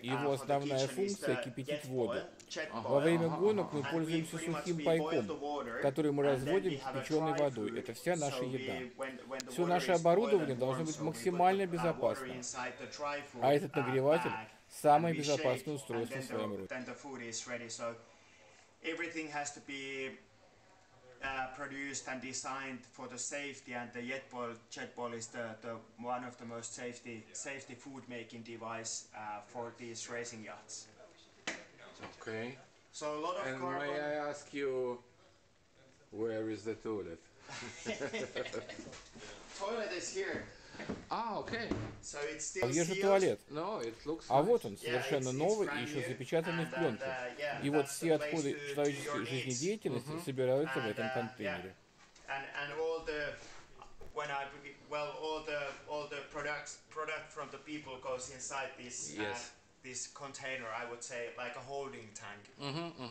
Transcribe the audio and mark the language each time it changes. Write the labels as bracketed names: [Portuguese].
[Russian] Его основная функция кипятить воду. Во время гонок мы пользуемся сухим пайком, который мы разводим с печеной водой. Это вся наша еда. Все наше оборудование должно быть максимально безопасным. А этот нагреватель самое безопасное устройство в своем роде. [English] Everything has to be produced and designed for the safety, and the jet boil is the one of the most safety food making device for these racing yachts. Okay. So a lot of and carbon. May I ask you, where is the toilet? Toilet is here. Okay. So it's still sealed. [Russian] А где же туалет? [English] No, it looks [Russian] а вот он, совершенно новый и еще запечатанный в пленке. И вот все отходы человеческой жизнедеятельности собираются в этом контейнере. [English] And all the when I well all the product from the people goes inside this yes. This container, I would say like a holding tank.